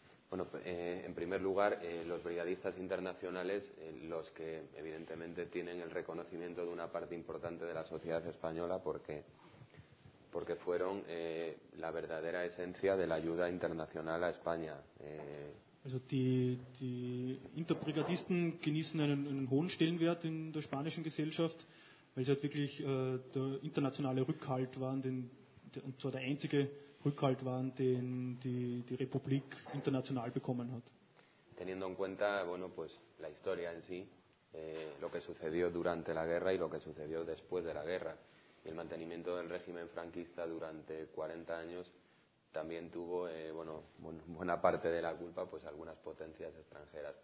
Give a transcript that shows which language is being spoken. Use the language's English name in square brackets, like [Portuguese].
[Spanish] Bueno, en primer lugar, los brigadistas internacionales, los que evidentemente tienen el reconocimiento de una parte importante de la sociedad española, porque fueron la verdadera esencia de la ayuda internacional a España. [German] Also die Interbrigadisten genießen einen hohen Stellenwert in der spanischen Gesellschaft, weil sie halt wirklich der internationale Rückhalt waren, und zwar der einzige Rückhalt waren, den die Republik international bekommen hat. [Spanish] Teniendo en cuenta, bueno, pues la historia en sí, lo que sucedió durante la guerra y lo que sucedió después de la guerra. El mantenimiento del régimen franquista durante 40 años también tuvo, buena parte de la culpa, pues algunas potencias extranjeras.